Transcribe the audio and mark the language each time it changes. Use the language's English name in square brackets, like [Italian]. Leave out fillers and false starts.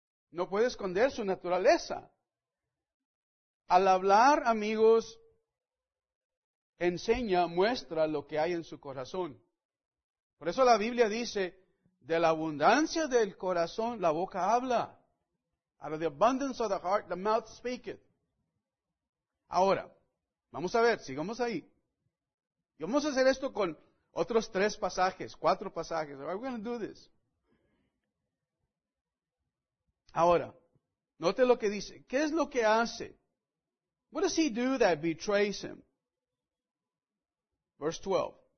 [Spanish] No puede esconder su naturaleza. Al hablar, amigos, enseña, muestra lo que hay en su corazón. Por eso la Biblia dice, de la abundancia del corazón, la boca habla. [English] Out of the abundance of the heart, the mouth speaketh. [Spanish] Ahora, vamos a ver, sigamos ahí. Y vamos a hacer esto con otros tres pasajes, cuatro pasajes. [English] We're going to do this. [Spanish] Ahora, note lo que dice. ¿Qué es lo que hace? [English] What does he do that betrays him? Verse 12.